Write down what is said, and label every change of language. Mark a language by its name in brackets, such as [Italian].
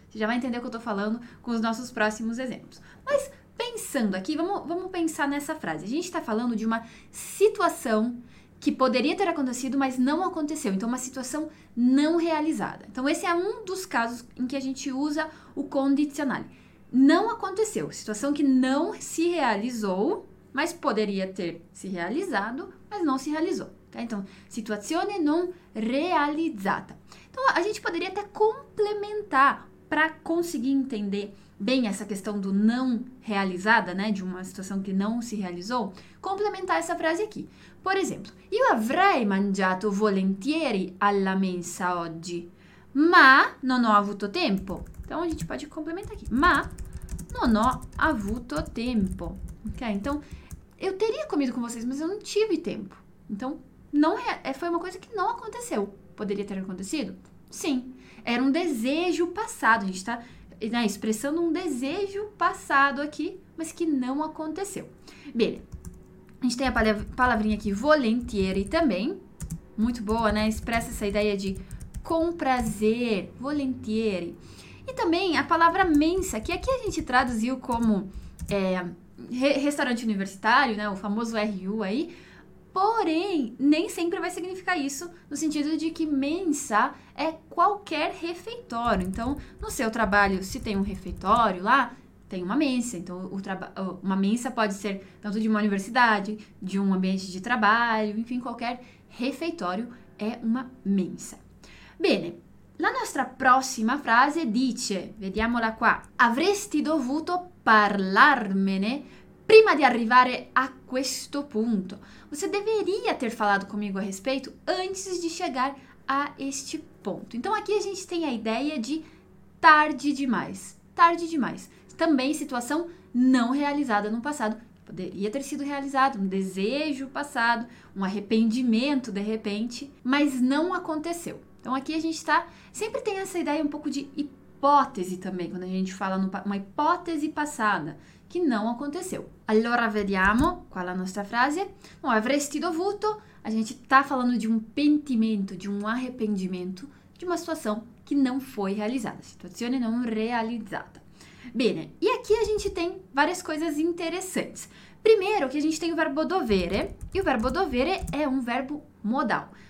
[Portuguese] Você já vai entender o que eu tô falando com os nossos próximos exemplos. Mas pensando aqui, vamos pensar nessa frase. A gente está falando de uma situação que poderia ter acontecido, mas não aconteceu. Então, uma situação não realizada. Então, esse é um dos casos em que a gente usa o condizionale. Não aconteceu, situação que não se realizou, mas poderia ter se realizado, mas não se realizou. Tá? [Italian] Então, situazione non realizzata. [Portuguese] Então, a gente poderia até complementar para conseguir entender bem essa questão do não realizada, né, de uma situação que não se realizou, complementar essa frase aqui. [Italian] Por exemplo, io avrei mangiato volentieri alla mensa oggi, ma non ho avuto tempo. [Portuguese] Então, a gente pode complementar aqui. [Italian] Ma non ho avuto tempo. [Portuguese] Okay? Então, eu teria comido com vocês, mas eu não tive tempo. Então, não foi uma coisa que não aconteceu. poderia ter acontecido? Sim, era um desejo passado. A gente está, né, expressando um desejo passado aqui, mas que não aconteceu. Bem, a gente tem a palavrinha aqui, volentieri, também. Muito boa, né? Expressa essa ideia de com prazer, volentieri. E também a palavra mensa, que aqui a gente traduziu como restaurante universitário, né? O famoso RU aí. Porém, nem sempre vai significar isso, no sentido de que mensa é qualquer refeitório. Então, no seu trabalho, se tem um refeitório lá, tem uma mensa. Então, uma mensa pode ser tanto de uma universidade, de um ambiente de trabalho, enfim, qualquer refeitório é uma mensa. [Italian] Bene, la nostra prossima frase dice, vediamola qua, avresti dovuto parlarmene prima di arrivare a questo punto. [Portuguese] Você deveria ter falado comigo a respeito antes de chegar a este ponto. Então, aqui a gente tem a ideia de tarde demais. Tarde demais. Também situação não realizada no passado. Poderia ter sido realizado, um desejo passado, um arrependimento de repente, mas não aconteceu. Então, aqui a gente está, sempre tem essa ideia um pouco de hipótese também, quando a gente fala numa hipótese passada, que não aconteceu. [Italian] Allora, vediamo [Portuguese] qual a nossa frase. Bom, avresti dovuto, a gente está falando de um pentimento, de um arrependimento, de uma situação que não foi realizada, [Italian] situazione non realizzata. [Portuguese] Bene, e aqui a gente tem várias coisas interessantes. Primeiro, que a gente tem o verbo dovere, e o verbo dovere é um verbo modal.